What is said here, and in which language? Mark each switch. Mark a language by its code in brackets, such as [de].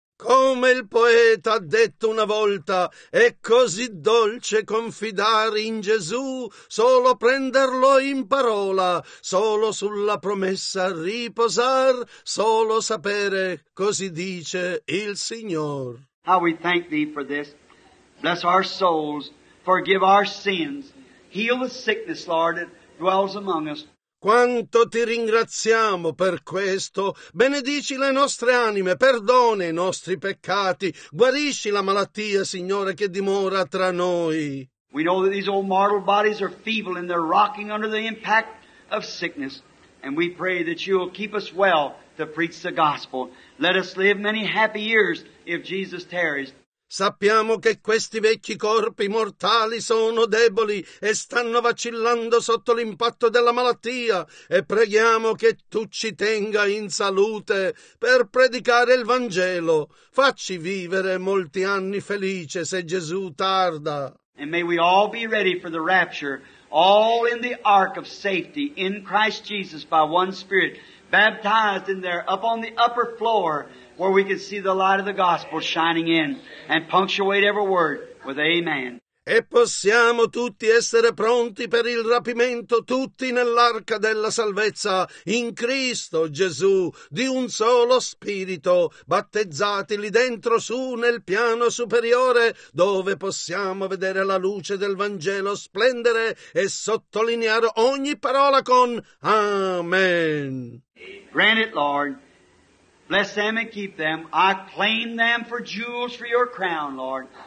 [it] Come il poeta ha detto una volta, è così dolce confidare in Gesù, solo prenderlo in parola, solo sulla promessa riposar, solo sapere, così dice il Signor. [en] How we thank thee for this. Bless our souls, forgive our sins, heal the sickness, Lord, that dwells among us. [it] Quanto ti ringraziamo per questo. Benedici le nostre anime, perdona i nostri peccati, guarisci la malattia, Signore, che dimora tra noi. [en] We know that these old mortal bodies are feeble and they're rocking under the impact of sickness. And we pray that you'll keep us well to preach the gospel. Let us live many happy years if Jesus tarries. [it] Sappiamo che questi vecchi corpi mortali sono deboli e stanno vacillando sotto l'impatto della malattia e preghiamo che tu ci tenga in salute per predicare il Vangelo. Facci vivere molti anni felici se Gesù tarda. [en] And may we all be ready for the rapture, all in the ark of safety in Christ Jesus by one Spirit, baptized in there up on the upper floor, where we can see the light of the gospel shining in and punctuate every word with amen. [it] E possiamo tutti essere pronti per il rapimento, tutti nell'arca della salvezza, in Cristo Gesù, di un solo spirito, battezzati lì dentro su nel piano superiore, dove possiamo vedere la luce del Vangelo splendere e sottolineare ogni parola con amen. [en] Grant it, Lord. Bless them and keep them. I claim them for jewels for your crown, Lord.